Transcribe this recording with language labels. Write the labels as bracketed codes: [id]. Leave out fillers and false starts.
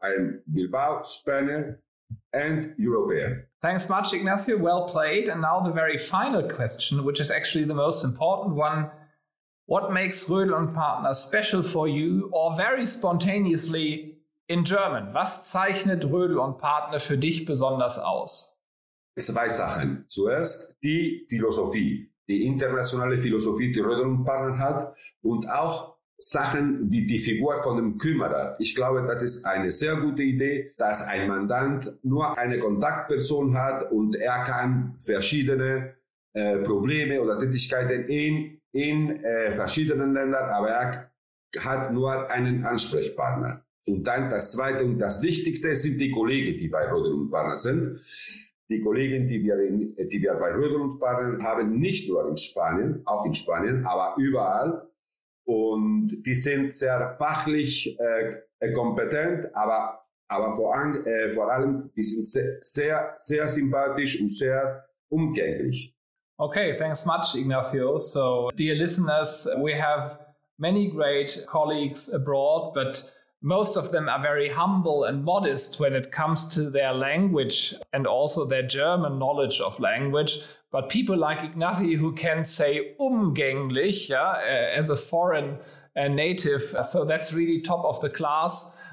[en] I'm Bilbao, Spaniard, and European. Thanks much, Ignacio. Well played. And now the very final question, which is actually the most important one. What makes Rödl & Partner special for you, or very spontaneously in German? [de] Was zeichnet Rödl & Partner für dich besonders aus? Zwei Sachen. Zuerst die Philosophie, die internationale Philosophie, die Rödl & Partner hat, und auch Sachen wie die Figur von dem Kümmerer. Ich glaube, das ist eine sehr gute Idee, dass ein Mandant nur eine Kontaktperson hat und er kann verschiedene Probleme oder Tätigkeiten in verschiedenen Ländern, aber er hat nur einen Ansprechpartner. Und dann das Zweite und das Wichtigste sind die Kollegen, die bei Rödl & Partner sind. Die Kollegen, die wir bei Rödl & Partner haben, nicht nur in Spanien, auch in Spanien, aber überall. Und die sind sehr fachlich kompetent, aber vor allem, die sind sehr, sehr sympathisch und sehr umgänglich. [en] Okay, thanks much, Ignacio. So, dear listeners, we have many great colleagues abroad, but most of them are very humble and modest when it comes to their language and also their German knowledge of language. But people like Ignacy, who can say umgänglich, yeah, as a foreign native, so that's really top of the class.